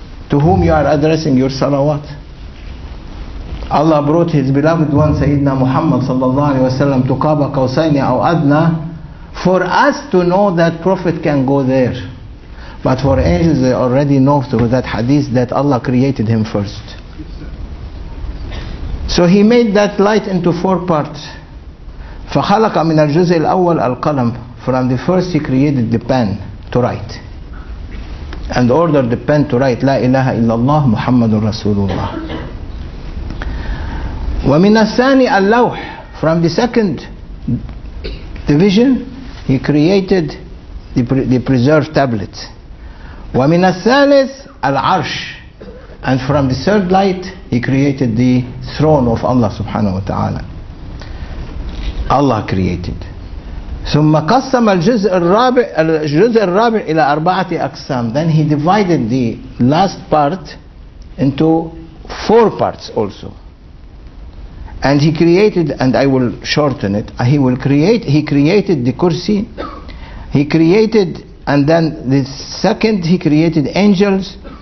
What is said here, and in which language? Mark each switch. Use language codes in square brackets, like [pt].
[en] To whom you are addressing your salawat? Allah brought His beloved one Sayyidina Muhammad sallallahu alayhi wa sallam to Kaaba Qawsaini aw Adna for us to know that Prophet can go there. But for angels, they already know through that hadith that Allah created him first. So he made that light into four parts. [ar] فخلق من الجزء الأول القلم. [en] From the first he created the pen to write. And ordered the pen to write [ar] لا إله إلا الله محمد رسول الله. ومن الثاني اللوح. [en] From the second division he created the preserved tablet. [ar] ومن الثالث العرش. [en] And from the third light he created the throne of Allah subhanahu wa ta'ala. Allah created. [ar] ثم قسم الجزء الرابع إلى أربعة أقسام. [en] Then he divided the last part into four parts also. And he created, and I will shorten it. He created the kursi. He created, and then the second he created angels.